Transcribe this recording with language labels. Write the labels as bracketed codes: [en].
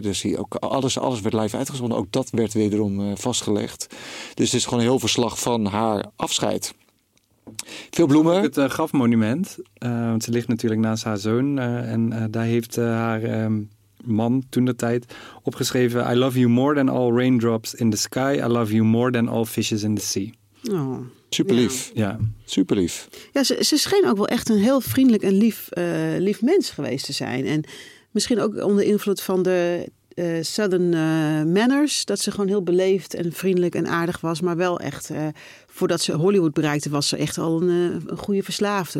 [nl] Dus ook alles werd live uitgezonden. Ook dat werd wederom vastgelegd. Dus het is gewoon een heel verslag van haar afscheid. Veel bloemen. Het grafmonument. Want ze ligt natuurlijk naast haar zoon. En daar heeft haar man toen de tijd opgeschreven: [en] I love you more than all raindrops in the sky. I love you more than all fishes in the sea. Oh. [nl] Superlief. Ja. Superlief. Ja, ze scheen ook wel echt een heel vriendelijk en lief mens geweest te zijn. En misschien ook onder invloed van de Southern manners. Dat ze gewoon heel beleefd en vriendelijk en aardig was. Maar wel echt, voordat ze Hollywood bereikte, was ze echt al een goede verslaafde.